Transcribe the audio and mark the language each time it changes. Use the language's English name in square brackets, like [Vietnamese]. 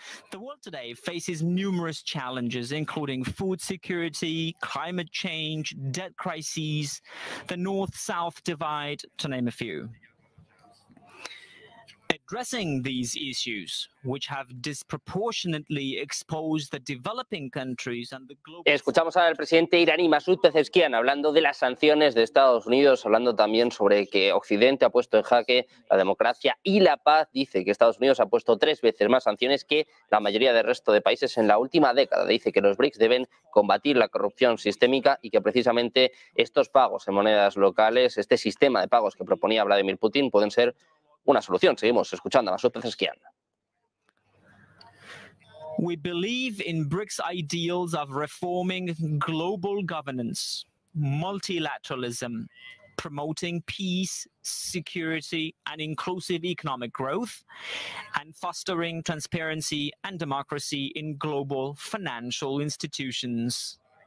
[English] The world today faces numerous challenges, including food security, climate change, debt crises, the North-South divide, to name a few. Addressing these issues, which have disproportionately exposed the developing countries and the global... [Spanish] Escuchamos al presidente iraní Masoud Pezeshkian hablando de las sanciones de Estados Unidos, hablando también sobre que Occidente ha puesto en jaque la democracia y la paz. Dice que Estados Unidos ha puesto tres veces más sanciones que la mayoría del resto de países en la última década. Dice que los BRICS deben combatir la corrupción sistémica y que precisamente estos pagos en monedas locales, este sistema de pagos que proponía Vladimir Putin, pueden ser una solución. Seguimos escuchando a Masoud Pezeshkian. [English] We believe in BRICS ideals of reforming global governance, multilateralism, promoting peace, security, and inclusive economic growth, and fostering transparency and democracy in global financial institutions.